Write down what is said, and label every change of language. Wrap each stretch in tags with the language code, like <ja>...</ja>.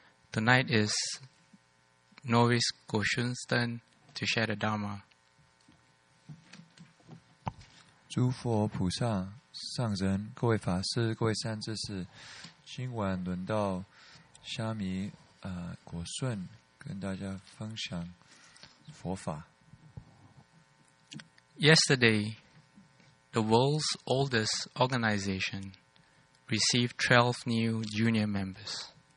<en>Tonight is Novice Goshun's turn to share the Dharma.</en> <zh>诸佛菩萨、上人、各位法师、各位善知识，今晚轮到沙弥、果顺跟大家分享佛法。</zh> <en>Yesterday, the world's oldest organization received 12 new junior members.</en>